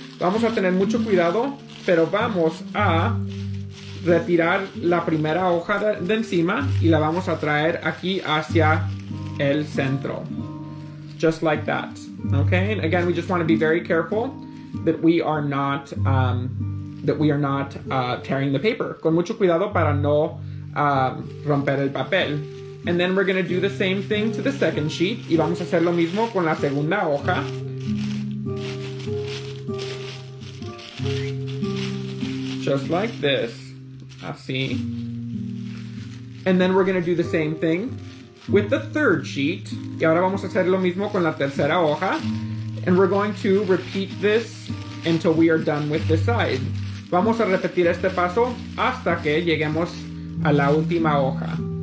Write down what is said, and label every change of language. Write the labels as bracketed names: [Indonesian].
[Spanish] Vamos a tener mucho cuidado, pero vamos a... retirar la primera hoja de encima y la vamos a traer aquí hacia el centro. [English] Just like that. Okay? And again, we just want to be very careful that we are not tearing the paper. [Spanish] Con mucho cuidado para no romper el papel. [English] And then we're going to do the same thing to the second sheet [Spanish] y vamos a hacer lo mismo con la segunda hoja. [English] Just like this. See, and then we're going to do the same thing with the third sheet. [Spanish] Y ahora vamos a hacer lo mismo con la tercera hoja. [English] And we're going to repeat this until we are done with this side. [Spanish] Vamos a repetir este paso hasta que lleguemos a la última hoja.